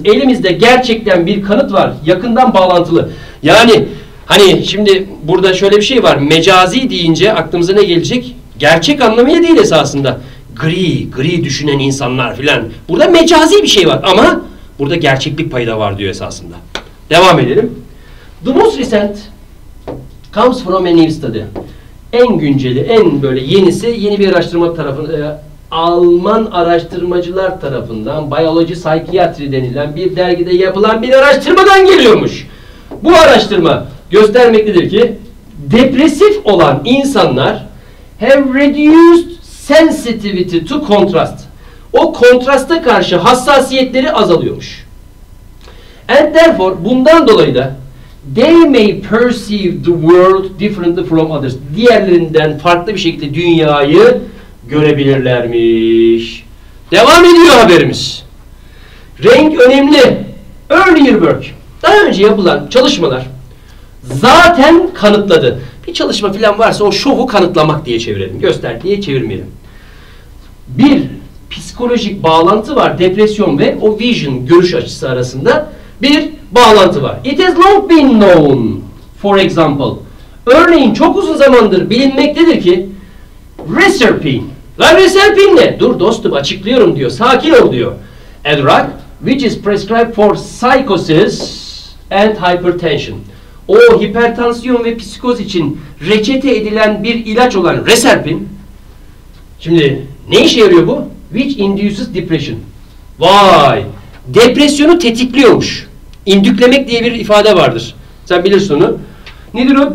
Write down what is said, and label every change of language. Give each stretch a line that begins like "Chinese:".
Turkish: Elimizde gerçekten bir kanıt var. Yakından bağlantılı. Yani hani şimdi burada şöyle bir şey var. Mecazi deyince aklımıza ne gelecek? Gerçek anlamıyla değil esasında. Gri düşünen insanlar filan. Burada mecazi bir şey var ama burada gerçeklik payı da var diyor esasında. Devam edelim.
English: The most recent comes from a new study.
Turkish: En günceli, en böyle yenisi yeni bir araştırma tarafından Alman araştırmacılar tarafından Biology Psychiatry denilen bir dergide yapılan bir araştırmadan geliyormuş. Bu araştırma göstermektedir ki depresif olan insanlar
English: have reduced sensitivity to contrast.
Turkish: O kontrasta karşı hassasiyetleri azalıyormuş.
English: And therefore,
Turkish: bundan dolayı da
English: they may perceive the world differently from others.
Turkish: Diğerlerinden farklı bir şekilde dünyayı görebilirlermiş. Devam ediyor haberimiz. Renk önemli.
English: Earlier work.
Turkish: Daha önce yapılan çalışmalar zaten kanıtladı. Bir çalışma falan varsa o şovu kanıtlamak diye çevirelim. Göster diye çevirmeyelim. Bir psikolojik bağlantı var. Depresyon ve o vision görüş açısı arasında bir bağlantı var.
English: It has long been known. For example.
Turkish: Örneğin çok uzun zamandır bilinmektedir ki reserpine. Lan reserpine ne? Dur dostum açıklıyorum diyor. Sakin ol diyor.
English: A drug which is prescribed for psychosis and hypertension.
Turkish: O hipertansiyon ve psikoz için reçete edilen bir ilaç olan reserpin. Şimdi ne işe yarıyor bu?
English: Which induces depression.
Turkish: Vay! Depresyonu tetikliyormuş. İndüklemek diye bir ifade vardır. Sen bilirsin onu. Nedir o?